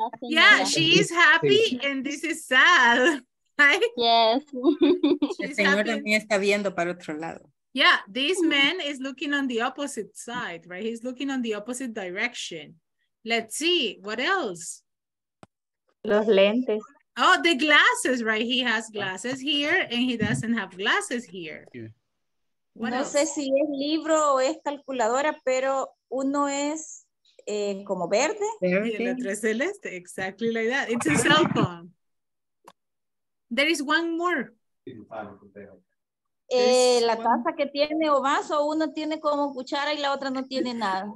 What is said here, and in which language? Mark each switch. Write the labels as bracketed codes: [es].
[en] Yeah, she is happy and this is sad. Yes. [es] El señor también está viendo para otro lado. [en] Yeah, this man is looking on the opposite side, right? He's looking on the opposite direction. Let's see, what else? [es] Los lentes. [en] Oh, the glasses, right? He has glasses here and he doesn't have glasses here. What no else? [es] Sé si es libro o es calculadora, pero uno es como verde. Y el otro es celeste, [en] exactly like that. It's a cell phone. There is one more. [es] La taza que tiene o vaso, uno tiene como cuchara y la otra no tiene nada.